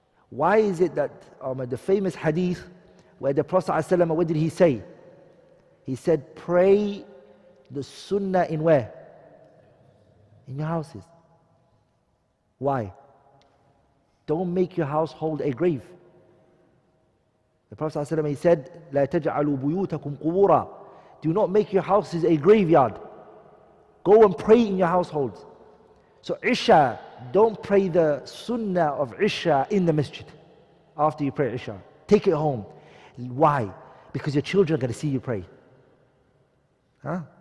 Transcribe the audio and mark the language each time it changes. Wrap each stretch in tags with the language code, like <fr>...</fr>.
<en>Why is it that the famous hadith where the Prophet ﷺ, what did he say? He said, pray the sunnah in where? In your houses. Why? Don't make your household a grave. The Prophet ﷺ, he said,</en> <ar>لَا تَجْعَلُوا بُيُوتَكُمْ قُبُورًا.</ar> <en>Do not make your houses a graveyard. Go and pray in your households. So Isha, don't pray the sunnah of Isha in the masjid after you pray Isha. Take it home. Why? Because your children are going to see you pray. Huh?</en>